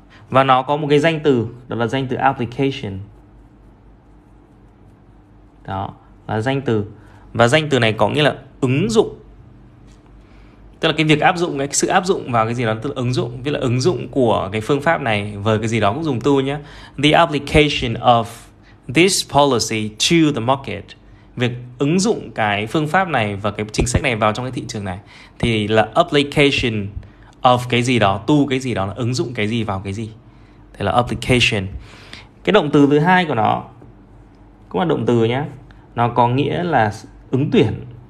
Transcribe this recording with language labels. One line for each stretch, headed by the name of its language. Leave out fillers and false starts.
Vietnamese: Và nó có một cái danh từ, đó là danh từ application. Đó là danh từ. Và danh từ này có nghĩa là ứng dụng. tức là cái việc áp dụng, cái sự áp dụng vào cái gì đó, tức là ứng dụng, viết là ứng dụng của cái phương pháp này với cái gì đó cũng dùng to nhé.
English: The application of this policy to the market.
Vietnamese: Việc ứng dụng cái phương pháp này và cái chính sách này vào trong cái thị trường này thì là application of cái gì đó, to cái gì đó, là ứng dụng cái gì vào cái gì. Thế là application. Cái động từ thứ hai của nó cũng là động từ nhé. Nó có nghĩa là ứng tuyển.